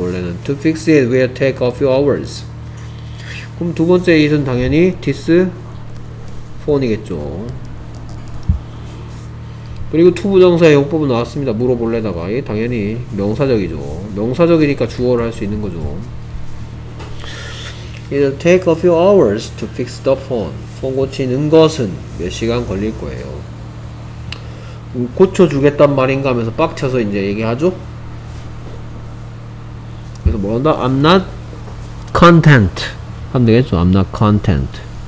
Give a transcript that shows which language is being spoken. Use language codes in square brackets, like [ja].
[ko] 원래는 [en] to fix it will take a few hours. [ko] 그럼 두 번째 it은 당연히 this 폰이겠죠. 그리고 to 부정사의 용법은 나왔습니다. 물어볼래다가 예, 당연히 명사적이죠. 명사적이니까 주어를 할 수 있는 거죠. [en] It'll take a few hours to fix the phone. [ko] 폰 고치는 것은 몇 시간 걸릴 거예요. 고쳐주겠단 말인가 하면서 빡쳐서 이제 얘기하죠. 그래서 뭐한다? [en] I'm not content. [ko] 하면 되겠죠. [en] I'm not content.